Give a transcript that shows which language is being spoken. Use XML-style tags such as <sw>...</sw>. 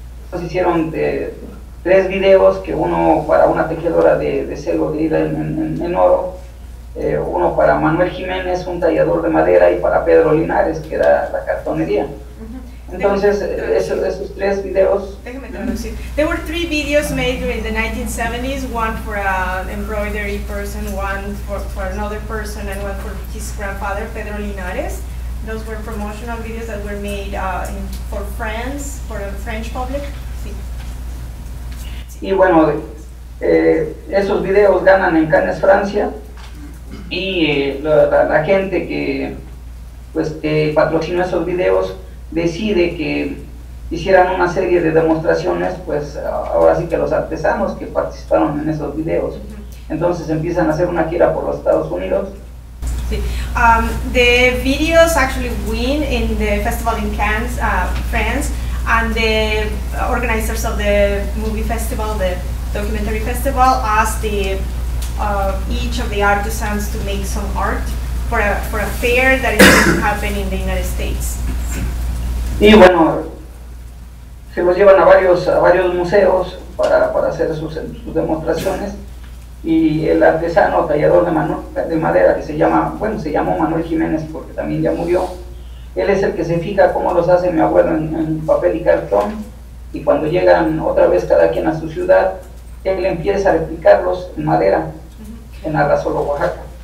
<es>Entonces hicieron tres videos, que uno para una tejedora de celo de ida en oro, uno para Manuel Jiménez, un tallador de madera, y para Pedro Linares, que era la cartonería. Entonces, esos tres videos... Déjame traducir.</es> <en>There were three videos made during the 1970s, one for an embroidery person, one for another person, and one for his grandfather, Pedro Linares. Those were promotional videos that were made for France, for the French public.</en> <es>Sí. Y bueno, esos videos ganan en Cannes, Francia, y la gente que patrocinó esos videos decide que hicieran una serie de demostraciones, pues ahora sí que los artesanos que participaron en esos videos. Entonces empiezan a hacer una gira por los Estados Unidos. Sí.</es> <en>The videos actually win in the festival in Cannes, France, and the organizers of the movie festival, the documentary festival, asked each of the artisans to make some art for a fair that is going to happen in the United States.</en> <es>Y bueno, se los llevan a varios museos para hacer sus demostraciones, y el artesano tallador de madera, que se llamó Manuel Jiménez, porque también ya murió, él es el que se fija cómo los hace mi abuelo en papel y cartón, y cuando llegan otra vez cada quien a su ciudad, él empieza a replicarlos en madera en Arrasolo, Oaxaca.</es>